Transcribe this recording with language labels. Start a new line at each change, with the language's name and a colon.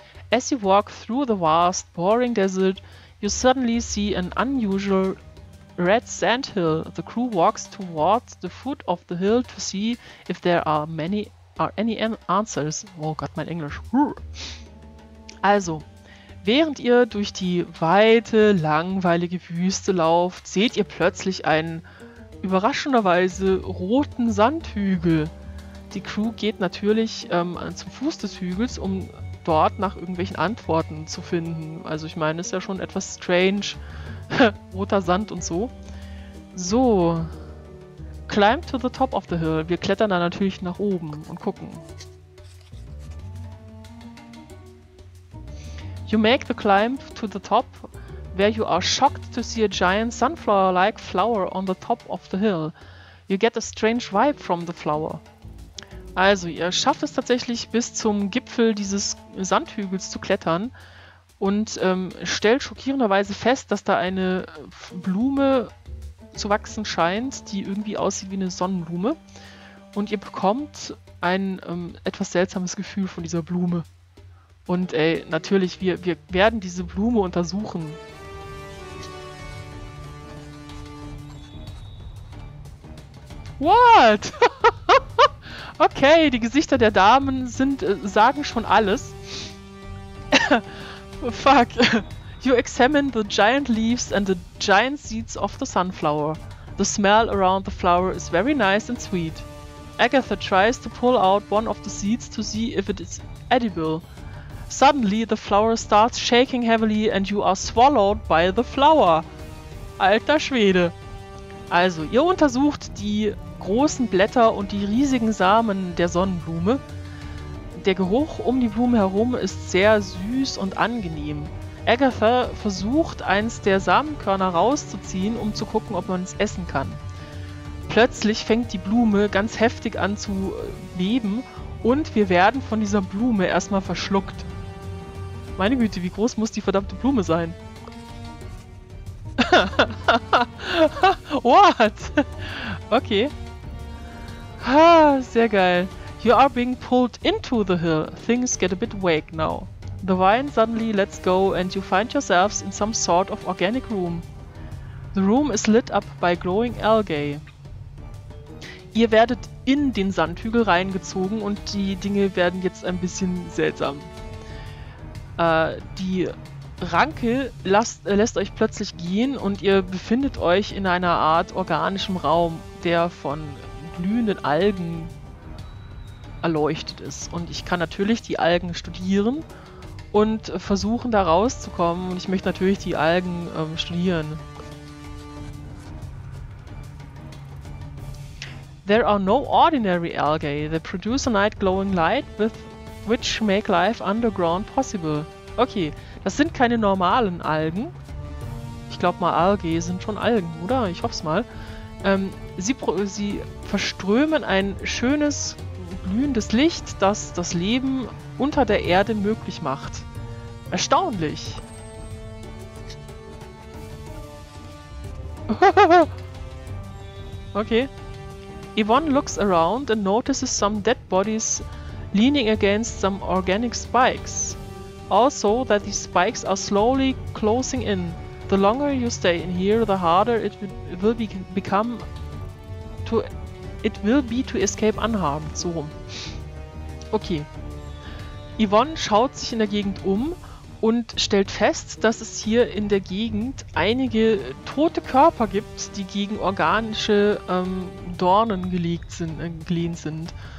English: As you walk through the vast, boring desert, you suddenly see an unusual red sandhill. The crew walks towards the foot of the hill to see if there are any answers.
German: Oh Gott, mein Englisch. Also, während ihr durch die weite, langweilige Wüste lauft, seht ihr plötzlich einen überraschenderweise roten Sandhügel. Die Crew geht natürlich zum Fuß des Hügels, um dort nach irgendwelchen Antworten zu finden. Also ich meine, ist ja schon etwas strange. Roter Sand und so. So.
English: Climb to the top of the hill.
German: Wir klettern da natürlich nach oben und gucken.
English: You make the climb to the top, where you are shocked to see a giant sunflower-like flower on the top of the hill. You get a strange vibe from the flower.
German: Also, ihr schafft es tatsächlich, bis zum Gipfel dieses Sandhügels zu klettern und stellt schockierenderweise fest, dass da eine Blume zu wachsen scheint, die irgendwie aussieht wie eine Sonnenblume. Und ihr bekommt ein etwas seltsames Gefühl von dieser Blume. Und ey, natürlich, wir werden diese Blume untersuchen. What? Okay, die Gesichter der Damen sind sagen schon alles.
English: Fuck. You examine the giant leaves and the giant seeds of the sunflower. The smell around the flower is very nice and sweet. Agatha tries to pull out one of the seeds to see if it is edible. Suddenly the flower starts shaking heavily and you are swallowed by the flower.
German: Alter Schwede. Also, ihr untersucht die großen Blätter und die riesigen Samen der Sonnenblume. Der Geruch um die Blume herum ist sehr süß und angenehm. Agatha versucht, eins der Samenkörner rauszuziehen, um zu gucken, ob man es essen kann. Plötzlich fängt die Blume ganz heftig an zu beben und wir werden von dieser Blume erstmal verschluckt. Meine Güte, wie groß muss die verdammte Blume sein? What? Okay. Ha, sehr geil.
English: You are being pulled into the hill. Things get a bit vague now. The vine suddenly lets go and you find yourselves in some sort of organic room. The room is lit up by glowing algae.
German: Ihr werdet in den Sandhügel reingezogen und die Dinge werden jetzt ein bisschen seltsam. Die Ranke lässt euch plötzlich gehen und ihr befindet euch in einer Art organischem Raum, der von glühenden Algen erleuchtet ist. Und ich kann natürlich die Algen studieren und versuchen, da rauszukommen. Und ich möchte natürlich die Algen studieren.
English: There are no ordinary algae. They produce a night glowing light with which make life underground possible.
German: Okay, das sind keine normalen Algen. Ich glaube mal, Algae sind schon Algen, oder? Ich hoffe es mal. Sie verströmen ein schönes, glühendes Licht, das das Leben unter der Erde möglich macht. Erstaunlich!
English: Okay. Yvonne looks around and notices some dead bodies leaning against some organic spikes. Also that these spikes are slowly closing in. The longer you stay in here, the harder it will become to it will be to escape unharmed.
German: So. Okay. Yvonne schaut sich in der Gegend um und stellt fest, dass es hier in der Gegend einige tote Körper gibt, die gegen organische Dornen gelehnt sind.